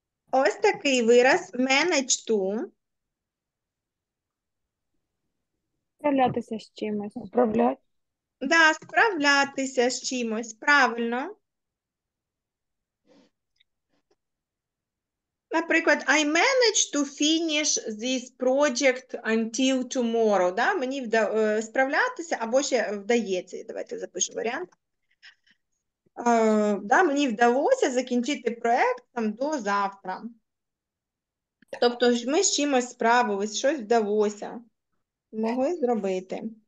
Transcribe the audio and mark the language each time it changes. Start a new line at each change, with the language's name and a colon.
Ukrainian: Ось такий вираз manage to. Справлятися з чимось. Справлять. Да, справлятися з чимось, правильно. Наприклад,
English: I manage to finish this project until tomorrow.
Ukrainian: Да? Мені справлятися або ще вдається. Давайте запишу варіант. Да, мені вдалося закінчити проєкт там до завтра. Тобто ж ми з чимось справились, щось вдалося. Могли зробити.